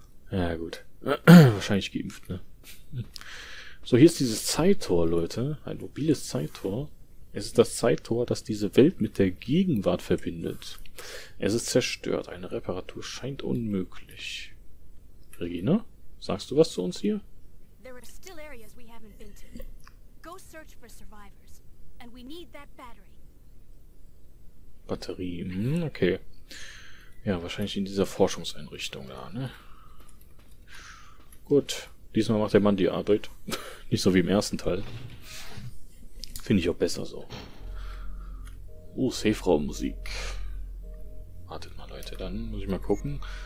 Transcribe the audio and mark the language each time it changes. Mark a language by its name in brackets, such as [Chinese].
[German] Ja, gut. Wahrscheinlich geimpft, ne? So, hier ist dieses Zeittor, Leute. Ein mobiles Zeittor. Es ist das Zeittor, das diese Welt mit der Gegenwart verbindet. Es ist zerstört. Eine Reparatur scheint unmöglich. Regina, sagst du was zu uns hier? [English] There are still areas we haven't been to. Go search for survivors. And we need that battery. [German] Batterie, okay. Ja, wahrscheinlich in dieser Forschungseinrichtung da, ne? Gut, diesmal macht der Mann die Arbeit. Nicht so wie im ersten Teil. Finde ich auch besser so. Oh, Seefrau-Musik. Wartet mal, Leute, dann muss ich mal gucken.